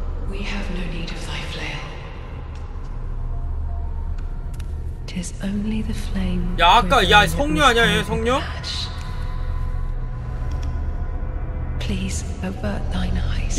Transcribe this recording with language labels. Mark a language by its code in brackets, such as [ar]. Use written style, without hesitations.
[en] We have no need of thy flail. 'Tis only the flame. [ko] 야, 아까 야, 성녀 아니야, 얘 성녀? [en] Please avert thine eyes.